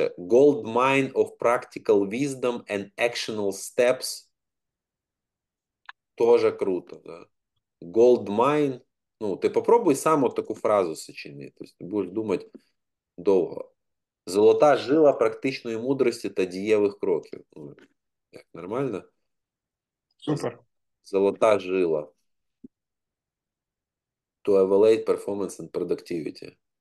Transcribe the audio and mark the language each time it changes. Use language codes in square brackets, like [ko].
[en] Gold mine of practical wisdom and actionable steps. [ru] Тоже круто, да? Gold mine. [uk] Ну, ти попробуй сам от таку фразу сочинити. Тобто, будеш думати довго. Золота жила практичної мудрості та дієвих кроків. Ну, як, нормально? Супер. Золота жила. [en] To evaluate performance and productivity.